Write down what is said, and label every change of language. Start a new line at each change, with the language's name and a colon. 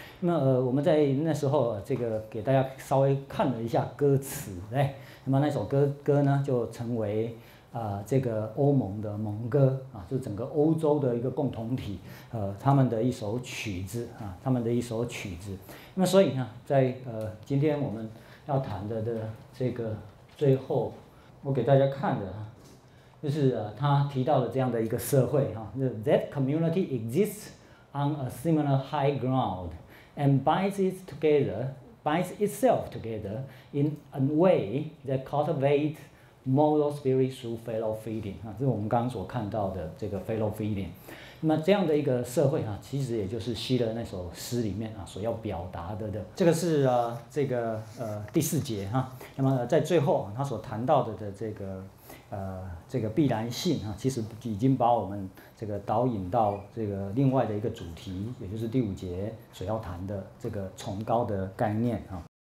Chinese: 那我们在那时候这个给大家稍微看了一下歌词，哎，那么那首歌呢就成为这个欧盟的盟歌啊，就整个欧洲的一个共同体，他们的一首曲子啊，他们的一首曲子。那么所以呢，在今天我们要谈的这个最后，我给大家看的，就是他提到的这样的一个社会哈、啊、，
English: That community exists on a similar high ground and binds it together, binds itself together in a way that cultivates. Moral spirit through fellow feeding 啊，
Chinese: 这是我们刚刚所看到的这个
English: fellow feeding。
Chinese: 那么这样的一个社会啊，其实也就是希勒那首诗里面啊所要表达的。这个是这个第四节哈、啊。那么在最后、啊、他所谈到的这个这个必然性啊，其实已经把我们这个导引到这个另外的一个主题，也就是第五节所要谈的这个崇高的概念啊。